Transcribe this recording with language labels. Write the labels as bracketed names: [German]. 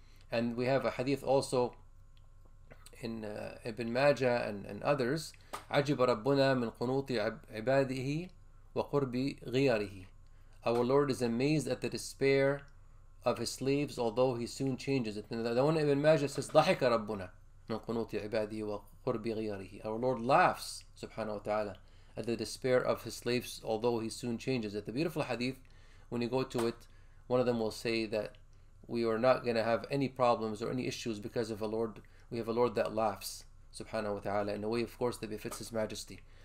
[English] And we have a hadith also, in Ibn Majah and others, [Arabic] عَجِبَ رَبُّنَا مِنْ قُنُوطِ عِبَادِهِ وَقُرْبِ غِيَارِهِ. [English] Our Lord is amazed at the despair of His slaves, although He soon changes it. The one Ibn Majah says, [Arabic] ضَحِكَ رَبُّنَا مِنْ قُنُوطِ عِبَادِهِ وَقُرْبِ غِيَارِهِ. [English] Our Lord laughs, subhanahu wa ta'ala, at the despair of His slaves, although He soon changes it. The beautiful hadith, when you go to it, one of them will say that we are not going to have any problems or any issues because of a Lord. We have a Lord that laughs, subhanahu wa ta'ala, in a way, of course, that befits His majesty.